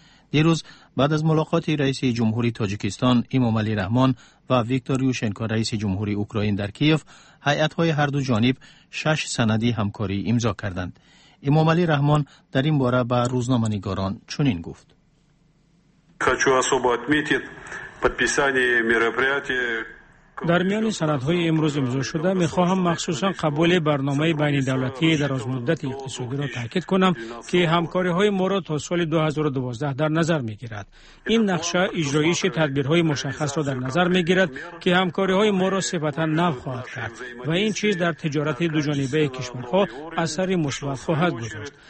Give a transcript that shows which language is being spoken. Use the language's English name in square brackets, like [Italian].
[Persian] دیروز بعد از ملاقات رئیس جمهوری تاجیکستان امام علی رحمان و ویکتور یوشنکو رئیس جمهوری اوکراین در کیف، هیئت‌های هر دو جانب 6 سندی همکاری امضا کردند. امام علی رحمان در این باره به روزنامه‌نگاران چنین گفت: [Russian] хочу особо отметить подписание мероприятия. [Persian] در میان سندهای امروز امضا شده می خواهم مخصوصا قبول برنامه بین دولتی دراز مدت اقتصادی را تاکید کنم که همکاری های ما را تا سال 2012 در نظر می گیرد. این نقشه اجرایش تدبیرهای مشخص را در نظر می گیرد که همکاری های ما را صفتا نو خواهد کرد و این چیز در تجارت دو جانبه کشورها اثر مثبت خواهد گذاشت.